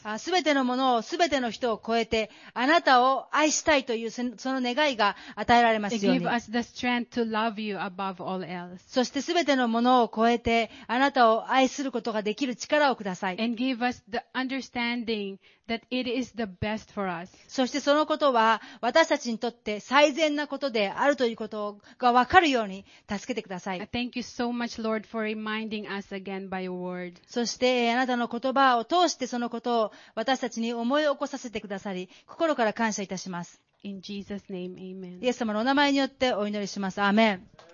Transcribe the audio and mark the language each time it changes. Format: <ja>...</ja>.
<ja>すべてのものを、すべての人を超えて、あなたを愛したいというその願いが与えられますように。</ja> <en>Give us the strength to love you above all else.</en> <ja>そしてすべてのものを超えて、あなたを愛することができる力をください。</ja> <en>And give us the understanding that it is the best for us.</en> <ja>そしてそのことは私たちにとって最善なことであるということが分かるように助けてください。</ja> <en>Thank you so much, Lord, for reminding us again by your word.</en> <ja>そしてあなたの言葉を通してそのことを私たちに思い起こさせてくださり、心から感謝いたします。</ja> <en>In Jesus' name, amen.</en> <ja>イエス様のお名前によってお祈りします。アーメン。</ja>